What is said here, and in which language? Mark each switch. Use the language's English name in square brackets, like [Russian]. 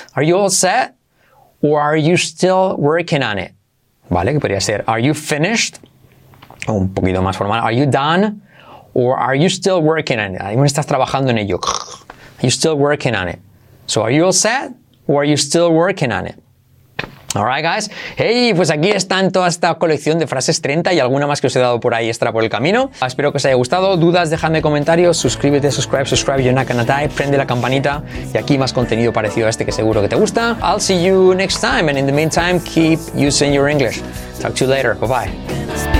[English] Are you all set or are you still working on it? [Spanish] ¿Vale? Que podría ser, [English] are you finished? [Spanish] O un poquito más formal, [English] are you done or are you still working on it? [Spanish] Ahí me estás trabajando en ello. [English] Are you still working on it? So are you all set or are you still working on it? All right, guys. [Spanish] Hey, pues aquí están toda esta colección de frases 30 y alguna más que os he dado por ahí extra por el camino. Espero que os haya gustado. Dudas, dejadme comentarios. Suscríbete, [English] subscribe, you're not gonna die. [Spanish] Prende la campanita y aquí más contenido parecido a este que seguro que te gusta. [English] I'll see you next time. And in the meantime, keep using your English. Talk to you later. Bye-bye.